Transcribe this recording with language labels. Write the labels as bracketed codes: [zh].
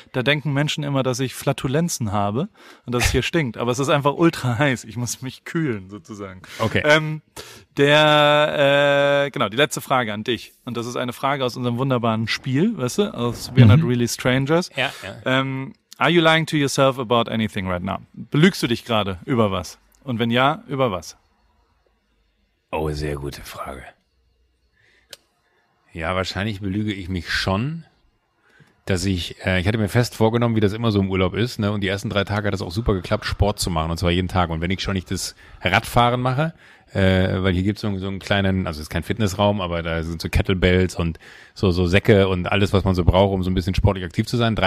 [de] Da denken Menschen immer, dass ich Flatulenzen habe und dass es hier stinkt. Aber es ist einfach ultra heiß. Ich muss mich kühlen sozusagen. Okay. Die letzte Frage an dich. Und das ist eine Frage aus unserem wunderbaren Spiel, weißt du, aus We're Not Really Strangers. Ja, ja. [en] Are you lying to yourself about anything right now? [de] Belügst du dich gerade über was? Und wenn ja, über was? Oh, sehr gute Frage. Ja, wahrscheinlich belüge ich mich schon, dass ich hatte mir fest vorgenommen, wie das immer so im Urlaub ist, ne? Und die ersten 3 Tage hat es auch super geklappt, Sport zu machen, und zwar jeden Tag. Und wenn ich schon nicht das Radfahren mache, weil hier gibt es so einen kleinen, also es ist kein Fitnessraum, aber da sind so Kettlebells und so Säcke und alles, was man so braucht, um so ein bisschen sportlich aktiv zu sein.